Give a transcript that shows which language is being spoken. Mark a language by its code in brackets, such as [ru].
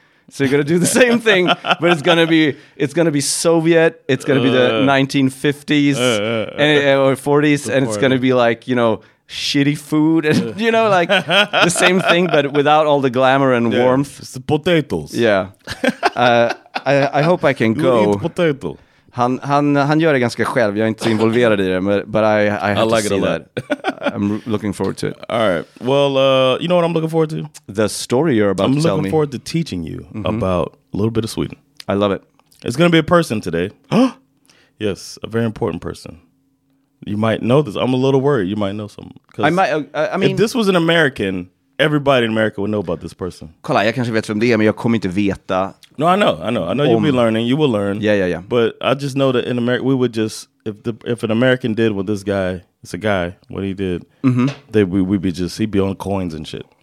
[en] So you're going to do the same thing, but it's going to be Soviet. It's going to be the 1950s or 40s. And it's going to be like, you know, shitty food and you know, like the same thing but without all the glamour and warmth. It's the potatoes. Yeah. I hope I can go. Eat potato. [sv] Han gör det ganska själv. Jag är inte involverad i det, [en] but I like see a lot. That. I'm looking forward to it. All right. Well, you know what I'm looking forward to? The story you're about to tell me. I'm looking forward to teaching you about a little bit of Sweden. I love it. It's going to be a person today. Huh? Yes, a very important person. You might know this. I'm a little worried. You might know some. I might. I mean, if this was an American, everybody in America would know about this person. [sv] Kolla, jag kanske vet vem det är, men jag kommer inte veta. [en] No, I know. I know you'll be learning. You will learn. Yeah, yeah, yeah. But I just know that in America, we would just if an American did what this guy, it's a guy, what he did, they we'd be just he'd be on coins and shit.